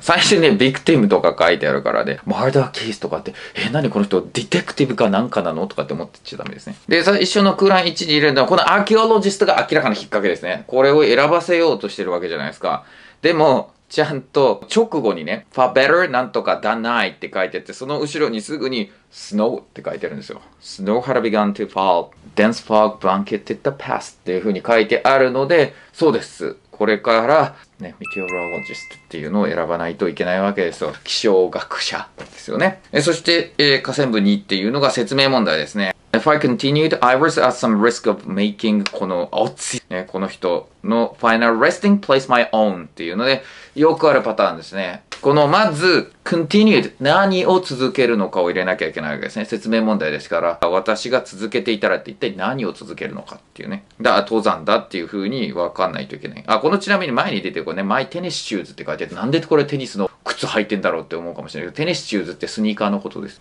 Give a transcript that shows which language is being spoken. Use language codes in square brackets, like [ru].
[ja] 最初にね、ビクティムとか書いてあるからね、マーダーケースとかって、何この人、ディテクティブかなんかなのとかって思ってっちゃダメですね。で、一緒の空欄1に入れるのは、このアーキオロジストが明らかな引っ掛けですね。これを選ばせようとしてるわけじゃないですか。でも、ちゃんと直後にね、 [en] for better [ja] なんとか [en] than I [ja] って書いてて、その後ろにすぐに snow って書いてるんですよ。 [en] snow had begun to fall, dense fog blanketed the past [ja] っていう風に書いてあるので、そうです。これからね、meteorologist っていうのを選ばないといけないわけですよ。気象学者ですよね。そして、下線部2っていうのが説明問題ですね。 [en] If I continued, I was at some risk of making [ja] この、ね、この人の [en] final resting place my own っていうので、よくあるパターンですね。 [ja] この、まず、continued 何を続けるのかを入れなきゃいけないわけですね。説明問題ですから、私が続けていたらって一体何を続けるのかっていうね。だから登山だっていう風に分かんないといけない。あ、このちなみに前に出てこれね、 [en] my tennis shoes [ja] って書いてあって、なんでこれテニスの靴履いてんだろうって思うかもしれないけど、テニスシューズってスニーカーのことです。